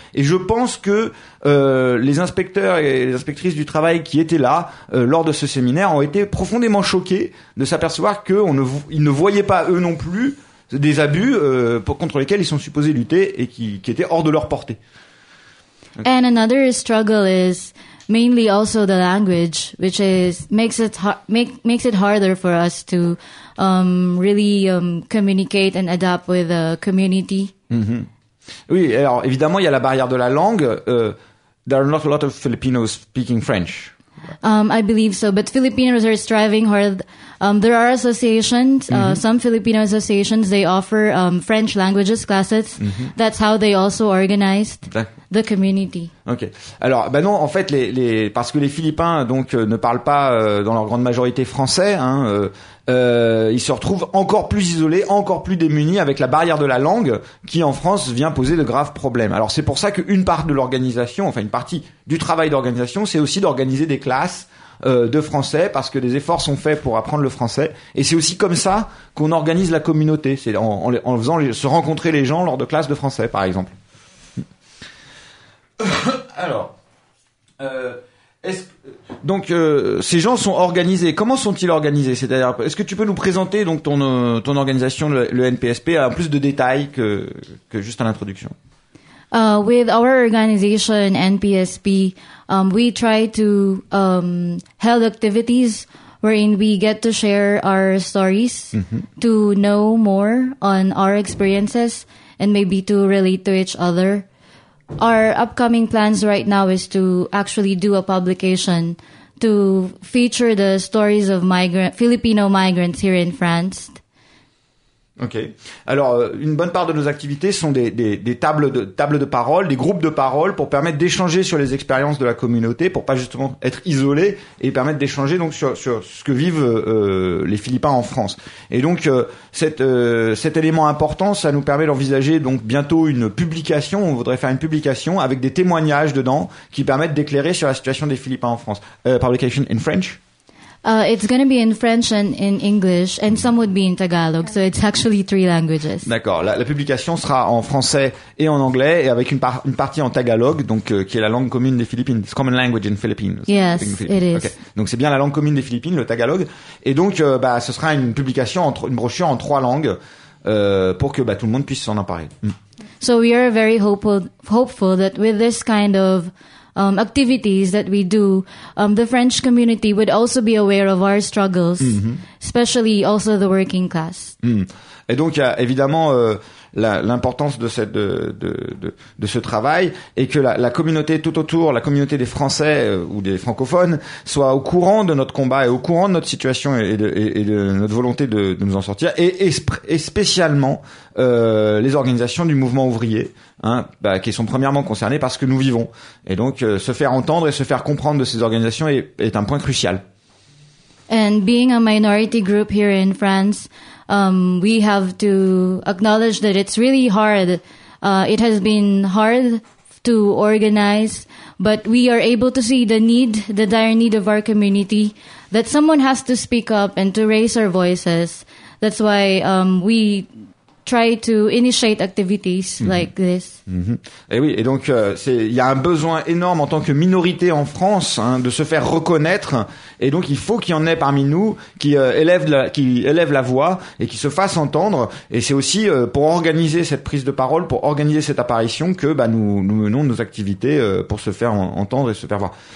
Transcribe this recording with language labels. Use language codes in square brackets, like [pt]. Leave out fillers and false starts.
[fr] Et je pense que les inspecteurs et les inspectrices du travail qui étaient là lors de ce séminaire ont été profondément choqués de s'apercevoir qu'ils ne voyaient pas eux non plus des abus contre lesquels ils sont supposés lutter et qui étaient hors de leur portée. [en] And another struggle is mainly also the language, which makes it harder for us to communicate and adapt with the community. Mm-hmm. [fr] Oui, alors évidemment, il y a la barrière de la langue. [en] There are not a lot of Filipinos speaking French. I believe so, but Filipinos are striving hard. There are associations, some Filipino associations, they offer French languages classes. Mm-hmm. That's how they also organized the community. Ok. [fr] Alors, ben non, en fait, parce que les Philippins donc ne parlent pas dans leur grande majorité français, ils se retrouvent encore plus isolés, encore plus démunis avec la barrière de la langue qui, en France, vient poser de graves problèmes. Alors, c'est pour ça qu'une part de l'organisation, enfin, une partie du travail d'organisation, c'est aussi d'organiser des classes de français, parce que des efforts sont faits pour apprendre le français. Et c'est aussi comme ça qu'on organise la communauté. C'est en faisant se rencontrer les gens lors de classes de français, par exemple. Alors, ces gens sont organisés. Comment sont-ils organisés? C'est-à-dire, est-ce que tu peux nous présenter donc ton organisation, le NPSP, à plus de détails que juste à l'introduction? [en] With our organization NPSP, we try to hold activities wherein we get to share our stories to know more on our experiences and maybe to relate to each other. Our upcoming plans right now is to actually do a publication to feature the stories of Filipino migrants here in France. Ok. [fr] Alors, une bonne part de nos activités sont des tables de parole, des groupes de parole pour permettre d'échanger sur les expériences de la communauté, pour pas justement être isolé et permettre d'échanger donc sur ce que vivent les Philippins en France. Et donc, cet élément important, ça nous permet d'envisager donc bientôt une publication. On voudrait faire une publication avec des témoignages dedans qui permettent d'éclairer sur la situation des Philippins en France. [en] Publication in French. It's going to be in French and in English, and some would be in Tagalog, so it's actually three languages. [fr] D'accord. La publication sera en français et en anglais, et avec une partie en Tagalog, donc qui est la langue commune des Philippines. [en] It's common language in Philippines. Yes, in Philippines. It is. Okay. [fr] Donc c'est bien la langue commune des Philippines, le Tagalog. Et donc, ce sera une publication, une brochure en trois langues, pour que tout le monde puisse s'en emparer. [en] So we are very hopeful that with this kind of activities that we do, the French community would also be aware of our struggles, especially also the working class. Mm. [fr] Et donc, il y a évidemment l'importance de ce travail et que la communauté tout autour, la communauté des Français ou des francophones, soit au courant de notre combat et au courant de notre situation et de notre volonté de nous en sortir, et spécialement les organisations du mouvement ouvrier, qui sont premièrement concernées par ce que nous vivons. Et donc, se faire entendre et se faire comprendre de ces organisations est un point crucial. [en] And being a minority group here in France, we have to acknowledge that it's really hard. It has been hard to organize, but we are able to see the need, the dire need of our community, that someone has to speak up and to raise our voices. That's why we try to initiate activities like this. Mm-hmm. [fr] Et oui, et donc il y a un besoin énorme en tant que minorité en France hein, de se faire reconnaître, et donc il faut qu'il y en ait parmi nous qui élève la voix et qui se fasse entendre. Et c'est aussi pour organiser cette prise de parole, pour organiser cette apparition que nous menons nos activités pour se faire entendre et se faire voir.